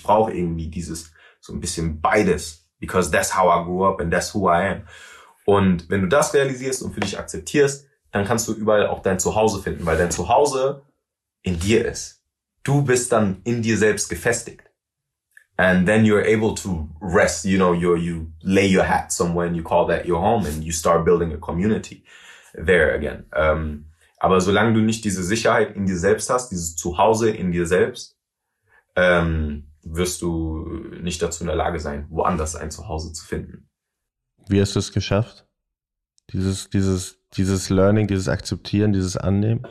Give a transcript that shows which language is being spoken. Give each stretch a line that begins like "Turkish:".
German: Ich brauche irgendwie dieses so ein bisschen beides,
English: because that's how I grew up and that's who I am.
German: Und wenn du das realisierst und für dich akzeptierst, dann kannst du überall auch dein Zuhause finden, weil dein Zuhause in dir ist. Du bist dann in dir selbst gefestigt.
English: And then you're able to rest, you know, you lay your hat somewhere and you call that your home and you start building a community there again.
German: Aber solange du nicht diese Sicherheit in dir selbst hast, dieses Zuhause in dir selbst, wirst du nicht dazu in der Lage sein, woanders ein Zuhause zu finden. Wie hast du es geschafft? Dieses Learning, dieses Akzeptieren, dieses Annehmen?